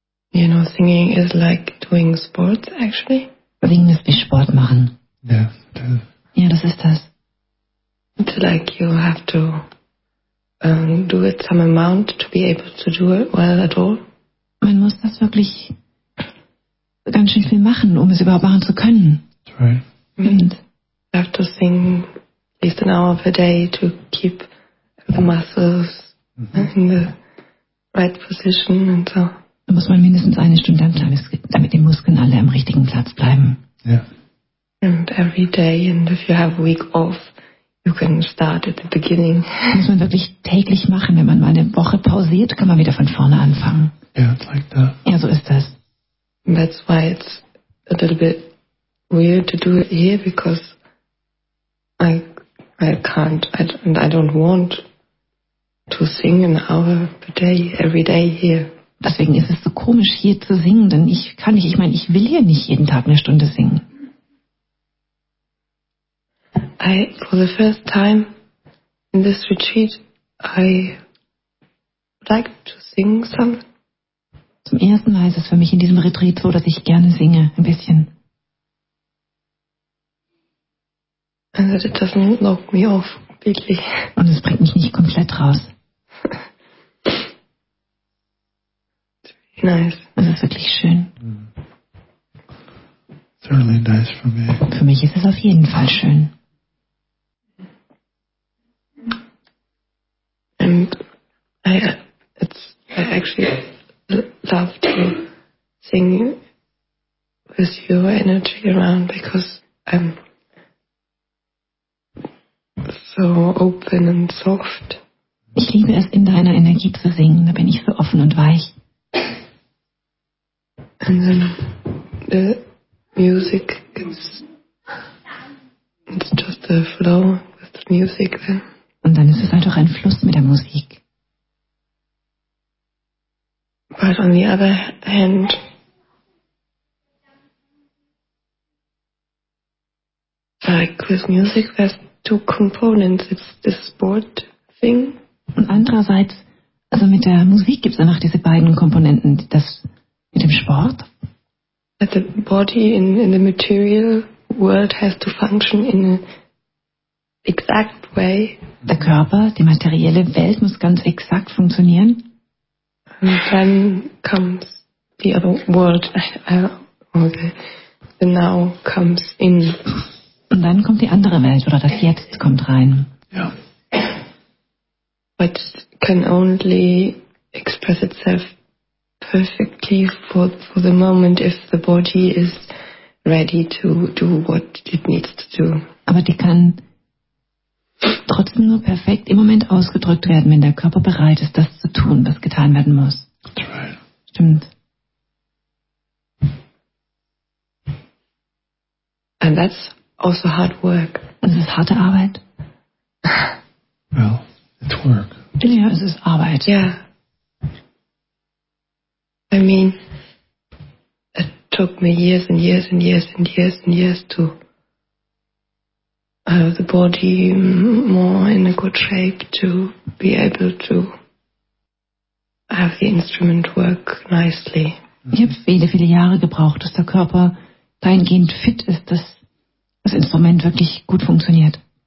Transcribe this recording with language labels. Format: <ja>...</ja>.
<en>You know, singing is like doing sports, actually.</en> <de>Singen ist wie Sport machen.</de> <en>Yes,</en> <de>ja, das ist das.</de> <en>It's like you have to do it some amount to be able to do it well at all.</en> <de>Man muss das wirklich ganz schön viel machen, um es überhaupt machen zu können.</de> <en>That's right. And you have to sing at least an hour of a day to keep the muscles in the right position and so.</en> <de>Da muss man mindestens eine Stunde am Tag, damit die Muskeln alle am richtigen Platz bleiben.</de> <en>Yeah. And every day, and if you have a week off, you can start at the beginning.</en> <de>Das muss man wirklich täglich machen. Wenn man mal eine Woche pausiert, kann man wieder von vorne anfangen.</de> <en>Yeah, it's like that.</en> <de>Ja, so ist das.</de> <en>And that's why it's a little bit weird to do it here, because I don't want to sing an hour per day, every day here.</en> <de>Deswegen ist es so komisch, hier zu singen, denn ich kann nicht, ich meine, ich will hier nicht jeden Tag eine Stunde singen.</de> <en>For the first time in this retreat, I would like to sing some.</en> <de>Zum ersten Mal ist es für mich in diesem Retreat so, dass ich gerne singe, ein bisschen.</de> <en>And that it doesn't lock me off, really.</en> <de>Und es bringt mich nicht komplett raus.</de> <en>Nice.</en> <de>Das ist wirklich schön.</de> <en>Certainly nice for me.</en> <de>Für mich ist es auf jeden Fall schön.</de> <en>And I actually love to sing with your energy around, because I'm so open and soft.</en> <de>Ich liebe es, in deiner Energie zu singen. Da bin ich so offen und weich.</de> <en>And then the music is, it's just a flow with the music then.</en> <de>Und dann ist es einfach ein Fluss mit der Musik.</de> <en>But on the other hand, like with music, there's two components. It's the sport thing.</en> <de>Und andererseits, also mit der Musik gibt es dann auch diese beiden Komponenten, das mit dem Sport.</de> <en>That the body in the material world has to function in an exact way.</en> <de>Der Körper, die materielle Welt muss ganz exakt funktionieren.</de> <en>And then comes the other world, the now comes in.</en> <de>Und dann kommt die andere Welt, oder das Jetzt kommt rein.</de> <en>Yeah. But can only express itself perfectly for the moment if the body is ready to do what it needs to do.</en> <de>Aber die kann trotzdem nur perfekt im Moment ausgedrückt werden, wenn der Körper bereit ist, das zu tun, was getan werden muss.</de> <en>Right.</en> <de>Stimmt.</de> <en>And that's also hard work.</en> <de>Und das ist harte Arbeit.</de> <en>Well, it's work.</en> <de>Ja, es ist Arbeit. Ja. Yeah.</de> <en>I mean, it took me years and years and years and years and years to have the body more in a good shape to be able to have the instrument work nicely.</en> <de>Ich habe viele, viele Jahre gebraucht, dass der Körper dahingehend fit ist, dass das Instrument wirklich gut funktioniert.</de>